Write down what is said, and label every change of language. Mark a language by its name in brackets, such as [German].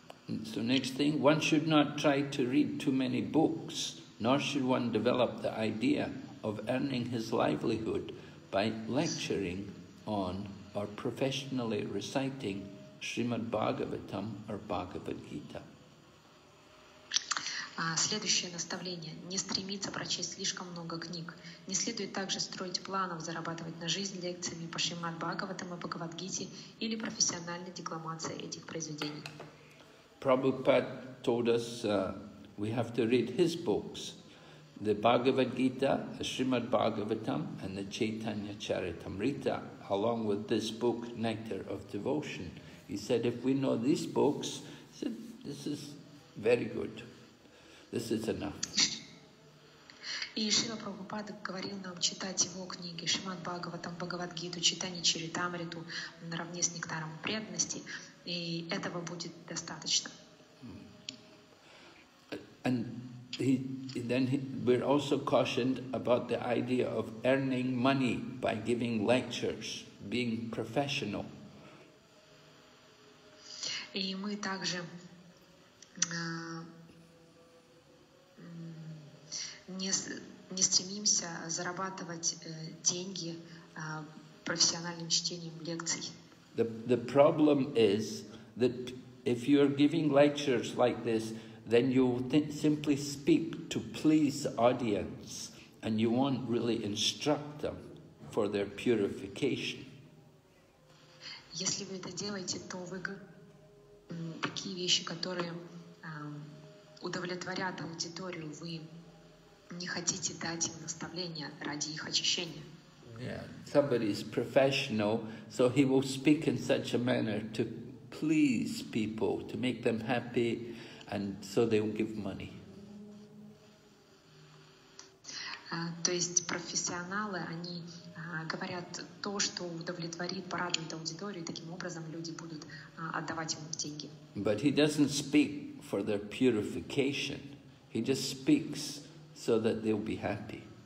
[English] So next thing, one should not try to read too many books, nor should one develop the idea of earning his livelihood by lecturing on or professionally reciting Srimad Bhagavatam or Bhagavad Gita. [Russian] Следующее наставление. Не стремиться прочесть слишком много книг. Не следует также строить планов зарабатывать на жизнь лекциями по Шримад Бхагаватам и Бхагавад Гите или профессиональной декламации этих произведений. [English] Прабхупада told us we have to read his books, the Bhagavad Gita, the Srimad Bhagavatam and the Chaitanya Charitamrita, along with this book, Nectar of Devotion. He said, if we know these books, he said, this is very good. This is enough. [Russian] И Шрила Прабхупада говорил нам читать его книги Шримад Бхагаватам, Бхагавад Гиту, Чайтанья Чаритамриту наравне с нектаром преданности, и этого будет достаточно. [English] And we're also cautioned about the idea of earning money by giving lectures, being professional. [Russian] И мы также не стремимся зарабатывать деньги профессиональным чтением лекций. [English] The problem is that if you are giving lectures like this, then you simply speak to please the audience and you won't really instruct them for their purification. [Russian] Если вы это делаете, то вы такие вещи, которые удовлетворят аудиторию, вы не хотите дать им наставления ради их очищения. [English] Yeah, somebody is professional, so he will speak in such a manner to please people, to make them happy, and so they will give money. [Russian] То есть профессионалы, они говорят то, что удовлетворит, порадует аудиторию, и таким образом люди будут отдавать ему деньги. [English] But he doesn't speak for their purification. He just speaks so that they'll be happy.